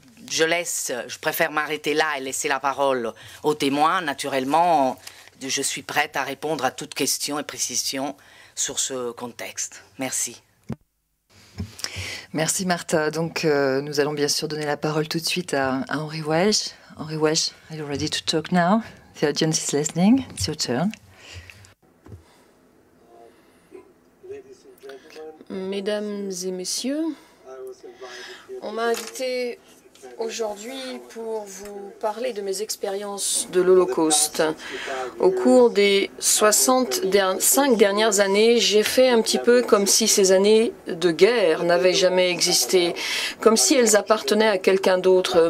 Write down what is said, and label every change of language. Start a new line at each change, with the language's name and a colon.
French: Je préfère m'arrêter là et laisser la parole aux témoins. Naturellement, je suis prête à répondre à toutes questions et précisions sur ce contexte. Merci. Merci Martha. Donc nous allons bien sûr donner la parole tout de suite à Henri Welsh.
English: Henri Welsh, are you ready to talk now? The audience is listening. It's your turn.
French: Mesdames et messieurs, on m'a invité aujourd'hui pour vous parler de mes expériences de l'Holocauste. Au cours des 65 dernières années, j'ai fait un petit peu comme si ces années de guerre n'avaient jamais existé, comme si elles appartenaient à quelqu'un d'autre.